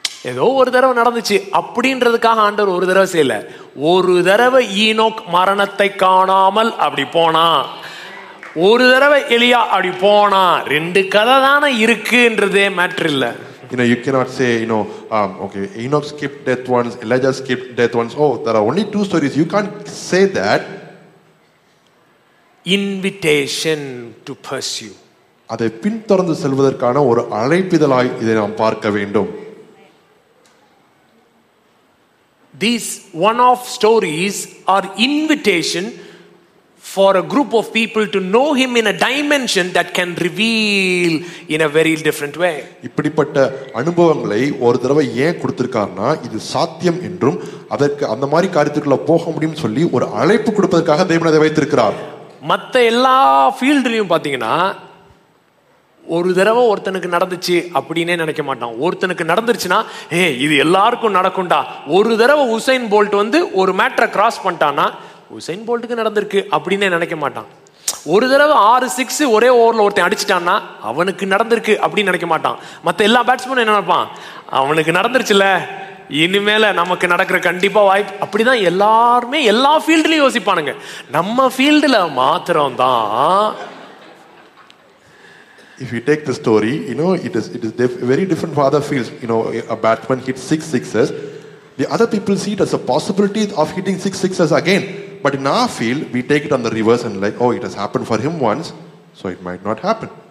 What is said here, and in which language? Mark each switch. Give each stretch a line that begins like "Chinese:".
Tamil: ஏதோ ஒரு தடவை நடந்துச்சு அப்படின்றதுக்காக ஆண்டவர் ஒரு தடவை செய்யல. ஒரு தடவை ஈனோக் மரணத்தை காணாமல் அப்படி போனா, ஒரு தடவை எலியா அப்படி போனா, ரெண்டு கதை தானே இருக்குன்றதே மேட்டர் இல்ல.
English: You know, you cannot say, you know, okay, Enoch skipped death once, Elijah skipped death once. Oh, there are only two stories. You can't say that. Invitation to pursue.
Tamil: அதை பின்தொடர்ந்து செல்வதற்கான ஒரு அழைப்பிதழாய் இதை நாம் பார்க்க வேண்டும்.
English: These one-off stories are invitation for a group of people to know him in a dimension that can reveal in a very different way.
Tamil: இப்படிப்பட்ட அனுபவங்களை ஒரு தடவை ஏன் கொடுத்திருக்கார்னா, இது சாத்தியம் என்றும் அதற்கு அந்த மாதிரி காரியத்துக்குள்ள போக முடியும் சொல்லி ஒரு அழைப்பு கொடுப்பதற்காக தேவன் அதை வைத்திருக்கிறார். மத்த எல்லா ஃபீல்ட்லயும் பாத்தீங்கன்னா, ஒரு தடவை ஒருத்தனுக்கு நடந்துச்சு அப்படின்னே நினைக்க மாட்டான். ஒருத்தனுக்கு நடந்துருச்சுன்னா, ஏ இது எல்லாருக்கும் நடக்கும்டா. ஒரு தடவை உசைன் போல்ட் வந்து ஒரு மேட்டரை கிராஸ் பண்ணிட்டான்னா, உசைன் போல்ட்டுக்கு நடந்திருக்கு அப்படின்னே நினைக்க மாட்டான். ஒரு தடவை 6-6 ஒரே ஓவர்ல ஒருத்தன் அடிச்சிட்டான்னா, அவனுக்கு நடந்திருக்கு அப்படின்னு நினைக்க மாட்டான். மத்த எல்லா பேட்ஸ்மேனும் என்ன நினைப்பான், அவனுக்கு நடந்துருச்சுல, இனிமேல நமக்கு நடக்கிற கண்டிப்பா வாய்ப்பு. அப்படிதான் எல்லாருமே எல்லா ஃபீல்ட்லயும் யோசிப்பானுங்க. நம்ம ஃபீல்ட்ல மாத்திரம் தான்.
English: If you take the story, you know, it is very different for other fields. You know, a batsman hits 6 sixes. The other people see it as a possibility of hitting 6 sixes again. But in our field, we take it on the reverse and like, oh, it has happened for him once, so it might not happen.